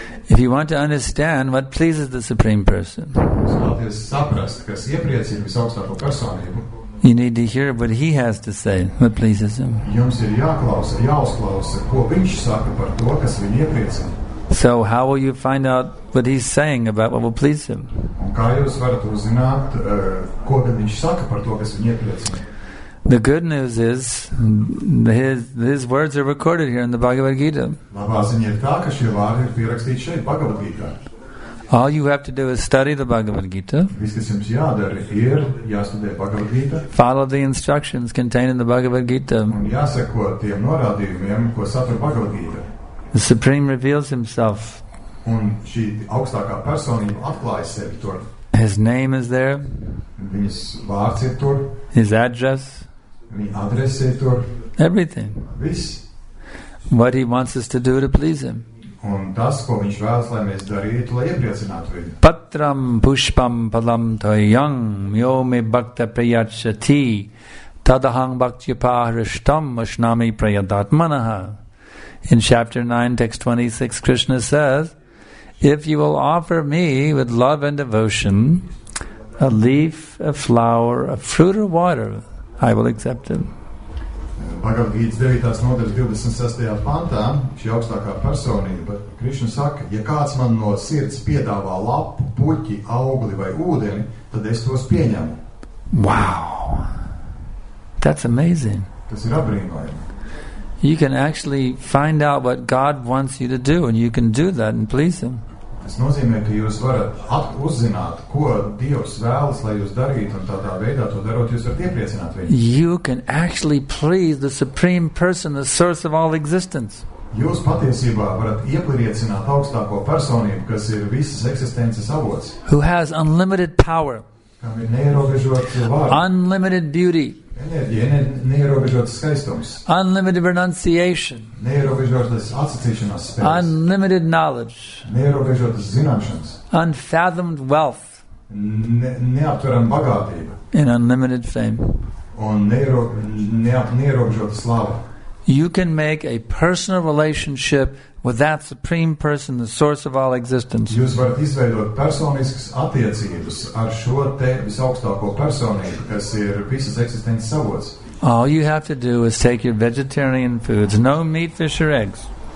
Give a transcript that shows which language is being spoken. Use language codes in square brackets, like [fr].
[en] If you want to understand what pleases the Supreme Person, [lv] Vēlaties saprast, kas iepriecina visaugstāko personību, [en] you need to hear what he has to say, what pleases him. [lv] Jums ir jāklausa, jāuzklausa, ko viņš saka par to, kas viņu iepriecina. [en] So how will you find out what he's saying about what will please him? [lv] Kā jūs varat uzzināt, ko tad viņš saka par to, kas viņu iepriecina? [en] The good news is his words are recorded here in the Bhagavad Gita. [lv] Labā ziņa ir tā, ka šie vārdi ir pierakstīti šeit Bhagavad Gita. [en] All you have to do is study the Bhagavad Gita. [lv] Viss, kas jums jādara, ir jāstudē Bhagavad Gita. [en] Follow the instructions contained in the Bhagavad Gita. [lv] Un jāseko tiem norādījumiem, ko satur Bhagavad Gita. [en] The Supreme reveals himself. [lv] Un šī augstākā personība atklājas sevi tur. [en] His name is there. [lv] Viņas vārds ir tur. [en] His address. [lv] Viņa adrese ir tur. [en] Everything. [lv] Viss. [en] What he wants us to do to please him. [lv] Un tas, ko viņš vēlas, lai mēs darītu, lai iepriecinātu viņu. [sa] Patram pushpam palam toyam yo me bhakta priyachati tadaham bhakti paharishtam ashnami prayadatmanaha. [en] In chapter 9, text 26, Krishna says, if you will offer me with love and devotion a leaf, a flower, a fruit or water, I will accept it. [lv] Bhagavad Gita 9. nodaļas 26. pantā, šī augstākā personība, Krišna saka, ja kāds man no sirds piedāvā lapu, puķi, augli vai ūdeni, tad es tos pieņemu. [en] Wow! That's amazing. [lv] Tas ir apbrīnojami. [en] You can actually find out what God wants you to do, and you can do that and please him. [lv] Tas nozīmē, ka jūs varat uzzināt, ko Dievs vēlas, lai jūs darītu, un tādā veidā to darot, jūs varat iepriecināt viņu. [en] You can actually please the Supreme Person, the source of all existence. [lv] Jūs patiesībā varat iepriecināt augstāko personību, kas ir visas eksistences avots. [en] Who has unlimited power. [lv] Kam ir neierobežots vārds. [en] Unlimited beauty. [lv] Neierobežotas skaistums. [en] Unlimited renunciation. [lv] Neierobežotas atsacīšanās spējas. [en] Unlimited knowledge. [lv] Neierobežotas zināšanas. [en] Unfathomed wealth. [lv] Neaptveram bagātība. [en] And unlimited fame. [lv] Un neierobežotas slava. [en] You can make a personal relationship with that Supreme Person, the source of all existence. [lv] Jūs varat izveidot personiskas attiecības ar šo te visaugstāko personību, kas ir visas eksistences savots. [en] All you have to do is take your vegetarian foods, no meat, fish or eggs.